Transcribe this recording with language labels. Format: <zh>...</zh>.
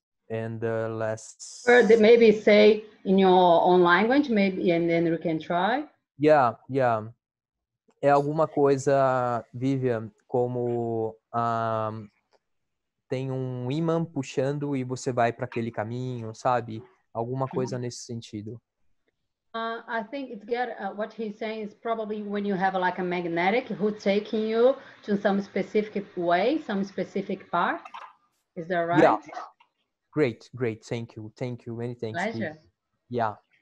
<en>Maybe say in your own language, maybe, and then we can try. Yeah.</en> <pt>É alguma coisa, Vivian, como tem imã puxando e você vai para aquele caminho, sabe? Alguma coisa nesse sentido.</pt> <en>I think it's good. What he's saying is probably when you have like a magnetic who taking you to some specific way, some specific part. Is that right? Yeah. Great. Thank you. Many thanks. Pleasure. Yeah.</en>